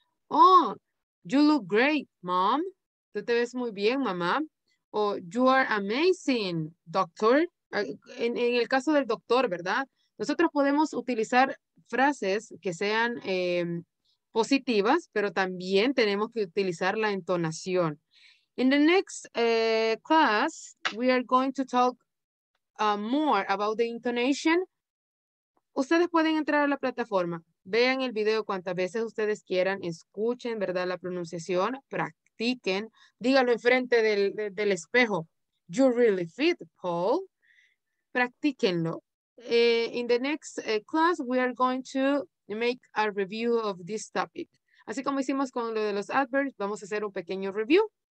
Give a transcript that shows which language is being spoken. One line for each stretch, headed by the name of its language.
English: Oh, you look great, mom.
Spanish: Tú te ves muy bien, mamá. O
English: you are amazing, doctor.
Spanish: En el caso del doctor, ¿verdad? Nosotros podemos utilizar frases que sean positivas, pero también tenemos que utilizar la entonación.
English: In the next class, we are going to talk more about the intonation.
Spanish: Ustedes pueden entrar a la plataforma. Vean el video cuantas veces ustedes quieran. Escuchen, ¿verdad? La pronunciación. Practiquen. Dígalo enfrente del espejo.
English: You really fit, Paul.
Spanish: Practíquenlo.
English: In the next class, we are going to make a review of this topic.
Spanish: Así como hicimos con lo de los adverbs, vamos a hacer un pequeño review.